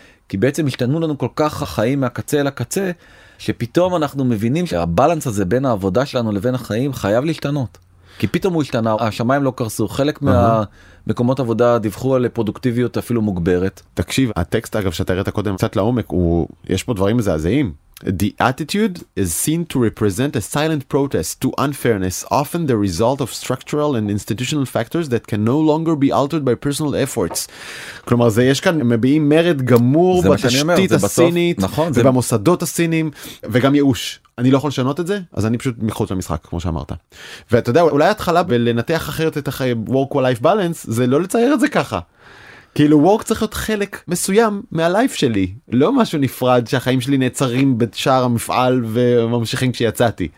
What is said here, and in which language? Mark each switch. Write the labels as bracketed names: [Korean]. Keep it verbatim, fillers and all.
[Hebrew] כי בעצם השתנו לנו כל כך החיים מהקצה לקצה, שפתאום אנחנו מבינים שהבלנס הזה בין העבודה שלנו לבין החיים חייב להשתנות. כי פתאום הוא השתנה, השמיים לא קרסו, חלק מהמקומות עבודה דיווחו על פרודוקטיביות אפילו מוגברת. תקשיב, הטקסט אגב שאתה ראית קודם קצת לעומק, יש פה דברים מזעזעים. [English] The attitude is seen to represent a silent protest to unfairness, often the result of structural and institutional factors that can no longer be altered by personal efforts. [Hebrew] כלומר, זה יש כאן, מביאים מרד גמור בתשתית הסינית, ובמוסדות הסינים, וגם ייאוש. אני לא יכול לשנות את זה, אז אני פשוט מחוץ למשחק, כמו שאמרת. ואתה יודע, אולי התחלה בלנתח אחרת את ה-work-life balance, זה לא לצייר את זה ככה. כאילו וורק צריך להיות חלק מסוים מהלייף שלי, לא משהו נפרד שהחיים שלי נעצרים בשער המפעל וממשיכים כשיצאתי.